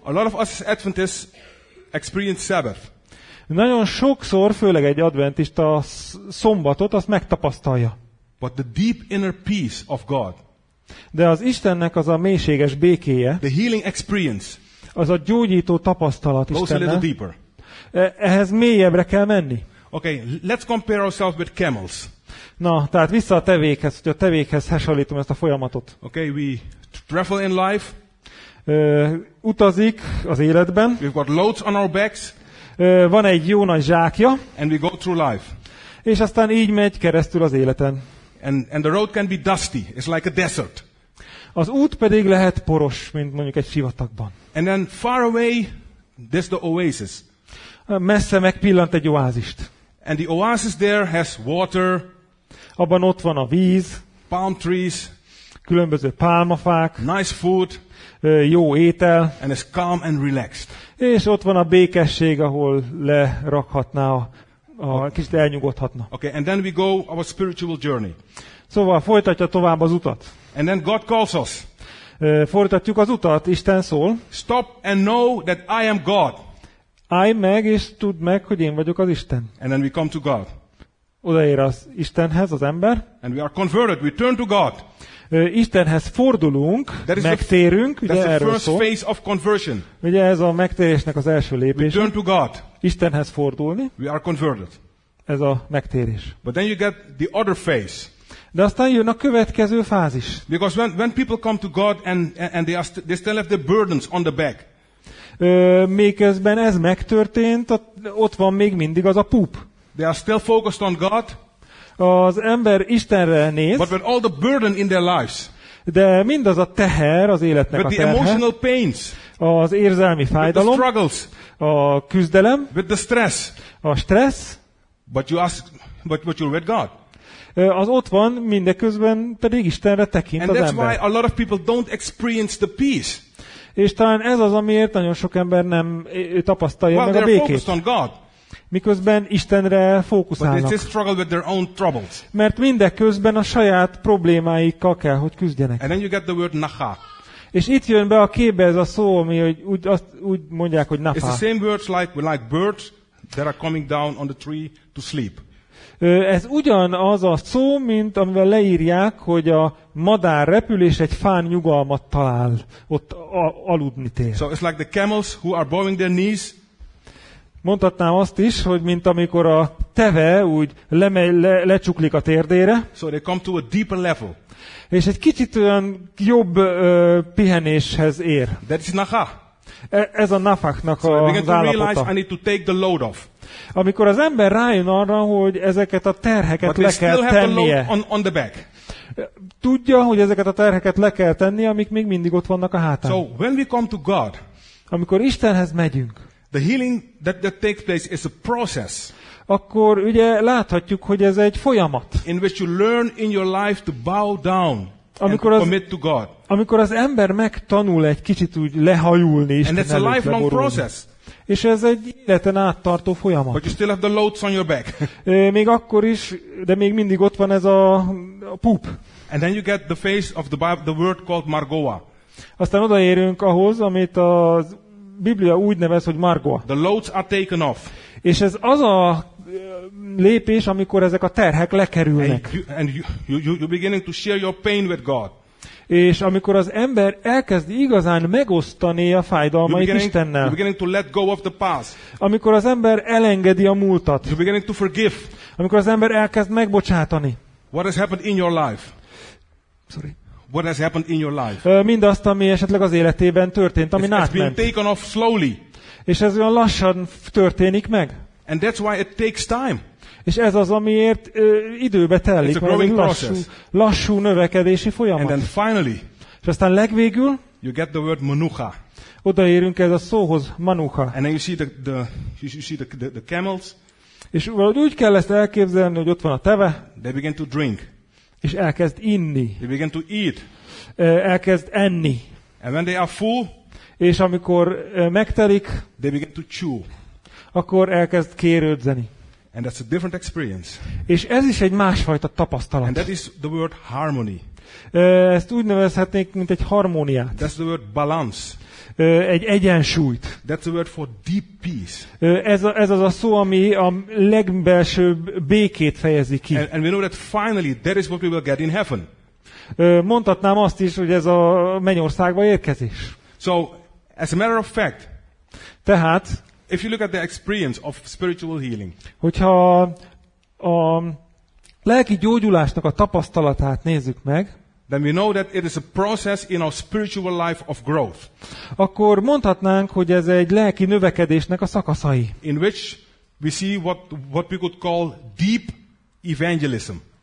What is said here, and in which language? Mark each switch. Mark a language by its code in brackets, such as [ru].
[en] A lot of us Adventists experience Sabbath. [hu] Nagyon sokszor, főleg egy adventista szombatot, azt megtapasztalja. [en] But the deep inner peace of God. [hu] De az Istennek az a mélységes békéje, [en] the healing experience, [hu] az a gyógyító tapasztalat Istennek. Ehhez mélyebbre kell menni. [en] Okay, let's compare ourselves with camels. [hu] Na, tehát vissza a tevékhez, hogy a tevékhez hasonlítom ezt a folyamatot. [en] Okay, we travel in life. [hu] Utazik az életben. [en] We've got loads on our backs. [hu] Van egy jó nagy zsákja. [en] And we go through life. [hu] És aztán így megy keresztül az életen. [en] And the road can be dusty. It's like a desert. [hu] Az út pedig lehet poros, mint mondjuk egy sivatagban. [en] And then far away, there's the oasis. [hu] Messze megpillant egy oázist. [en] And the oasis there has water. [hu] Abban ott van a víz. [en] Palm trees. [hu] Különböző pálmafák. [en] Nice food. [hu] Jó étel. [en] And it's calm and relaxed. [hu] És ott van a békesség, ahol lerakhatná a kicsit elnyugodhatna. [en] Okay, and then we go our spiritual journey. [hu] Szóval folytatja tovább az utat. [en] And then God calls us. [hu] Folytatjuk az utat, Isten szól. [en] Stop and know that I am God. [hu] Állj meg, és tudd meg, hogy én vagyok az Isten. [en] And then we come to God. [hu] Odaér az Istenhez, az ember. [en] And we are converted, we turn to God. [hu] Istenhez fordulunk, megtérünk, ugye erről szó. [en] That's the first phase of conversion. [hu] Ugye ez a megtérésnek az első lépése. [en] We turn to God. [hu] Istenhez fordulni. [en] We are converted. [hu] Ez a megtérés. [en] But then you get the other phase. [hu] De aztán jön a következő fázis. [en] Because when people come to God and they still have the burdens on the back. [hu] Miközben ez megtörtént, ott van még mindig az a púp. [en] They are still focused on God. [hu] Az ember Istenre néz. [en] But with all the burden in their lives. [hu] De mindaz a teher az életnek [en] with [hu] a terhe. [en] With the emotional pains. [hu] Az érzelmi fájdalom. [en] With the struggles. [hu] A küzdelem. [en] With the stress. [hu] A stressz. [en] But you're with God. [hu] Az ott van, mindeközben pedig Istenre tekint [en] and [hu] az [en] that's [hu] ember. [en] Why a lot of people don't experience the peace. [hu] És talán ez az, amiért nagyon sok ember nem tapasztalja [en] well, [hu] meg a békét. [en] Focused on God. [hu] Miközben Istenre fókuszálnak. [en] With their own troubles. [hu] Mert mindeközben a saját problémáikkal kell, hogy küzdjenek. [en] And then you get the word naha. [hu] És itt jön be a képbe ez a szó, ami úgy mondják, hogy napa. [en] It's the same words like birds that are coming down on the tree to sleep. [hu] Ez ugyanaz a szó, mint amivel leírják, hogy a madár repül és egy fán nyugalmat talál ott aludni tér. [en] So it's like the camels who are bowing their knees. [hu] Mondhatnám azt is, hogy mint amikor a teve úgy lecsuklik a térdére. [en] So they come to a deeper level. [hu] És egy kicsit olyan jobb pihenéshez ér. [en] That's naha. [hu] Ez a nafáknak a állapota. Amikor az ember rájön arra, hogy ezeket a terheket [en] but [hu] le kell tennie. [en] On the back. [hu] Tudja, hogy ezeket a terheket le kell tenni, amik még mindig ott vannak a hátán. [en] So when we come to God, [hu] amikor Istenhez megyünk, [en] the healing that takes place is a process. [hu] Akkor ugye láthatjuk, hogy ez egy folyamat. [en] In which you learn in your life to bow down [hu] amikor [en] and commit to God. [hu] Amikor az ember megtanul egy kicsit úgy lehajulni Isten előtt. [en] And it's a lifelong process. [hu] És ez egy életen át tartó folyamat. [en] But you still have the loads on your back. [hu] Még akkor is, de még mindig ott van ez a púp. [en] And then you get the face of the Bible, the word called margoa. [hu] Aztán odaérünk ahhoz, amit az Biblia úgy nevez, hogy margoa. [en] The loads are taken off. [hu] És ez az a lépés, amikor ezek a terhek lekerülnek. [en] And you're beginning to share your pain with God. [hu] És amikor az ember elkezd igazán megosztani a fájdalmait Istennel. [en] You're beginning to let go of the past. [hu] Amikor az ember elengedi a múltat. [en] You're beginning to forgive. [hu] Amikor az ember elkezd megbocsátani. [en] What has happened in your life? Sorry. What has happened in your life? [hu] Mindazt, ami esetleg az életében történt, ami átment. [en] It's been taken off slowly. [hu] És ez olyan lassan történik meg. [en] And that's why it takes time. [hu] És ez az, amiért időbe telik, mert ez lassú növekedési folyamat. [en] And then finally, [hu] és aztán legvégül [en] you get the word manucha. [hu] Odaérünk ez a szóhoz, manucha. [en] And then you see the camels. [hu] És valahogy úgy kell ezt elképzelni, hogy ott van a teve. [en] They begin to drink. [hu] És elkezd inni. [en] They begin to eat. [hu] Elkezd enni. [en] And when they are full, [hu] és amikor megtelik, [en] they begin to chew. [hu] Akkor elkezd kérődzeni. [en] And that's a different experience. [hu] És ez is egy másfajta tapasztalat. [en] And that is the word harmony. [hu] Ezt úgy nevezhetnénk, mint egy harmóniát. [en] That's the word balance. [hu] Egy egyensúlyt. [en] That's the word for deep peace. [hu] Ez az a szó, ami a legbelsőbb békét fejezi ki. [en] And we know that finally that is what we will get in heaven. [hu] Mondhatnám azt is, hogy ez a mennyországba érkezés. [en] So, as a matter of fact, [hu] tehát, [en] if you look at the experience of spiritual healing, [hu] hogyha a lelki gyógyulásnak a tapasztalatát nézzük meg, [en] then we know that it is a process in our spiritual life of growth. [hu] Akkor mondhatnánk, hogy ez egy lelki növekedésnek a szakaszai. [en] In which we see what we could call deep evangelism.